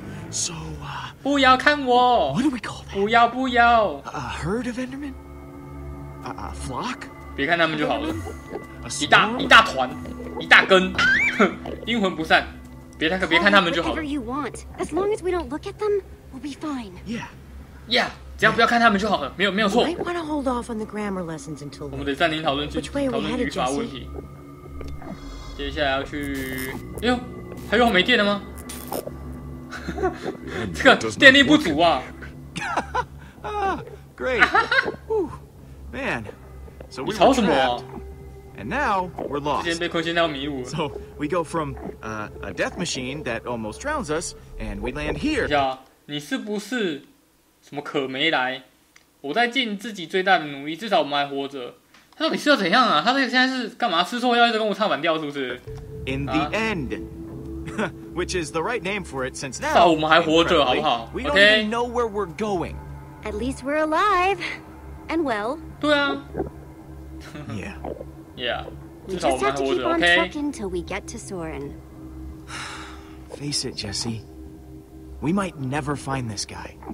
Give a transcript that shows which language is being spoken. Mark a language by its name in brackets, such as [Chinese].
[Chinese] ，So 啊，不要看我。 [English] What do we call that？ [Chinese] 不要不要。 [English] A herd of Enderman？ A flock？ [Chinese] 别看他们就好了。一大团，一大根，阴魂不散。别看他们就好了。 [English] Whatever you want, as long as we don't look at them, we'll be fine. Yeah, yeah。 [Chinese] 只要不要看他们就好了，没有错。 [English] Might wanna hold off on the grammar lessons until. [Chinese] 我们得暂停讨论去讨论语法问题。接下来要去，哎呦，他又没电了吗？这个电力不足啊！ [English] Great, man. So we're trapped. And now we're lost. [Chinese] 之前被困现在要迷路。 [English] So we go from a death machine that almost drowns us, and we land here. [Chinese] 等一下，你是不是？什么可没来？我在尽自己最大的努力，至少我们还活着。他到底是要怎样啊？他这个现在是干嘛？吃错药一直跟我唱反调是不是 [English] ？In the end, which is the right name for it, since now [Chinese] 至少我们还活着，好不好 [English] ？We don't even know where we're going. At least we're alive and well. [Chinese] 对啊。 [English] Yeah, [Chinese] yeah. 至少我们还活着 ，OK? [English] We just have to keep on trucking till we get to Soren. Face it, Jesse. We might never find this guy.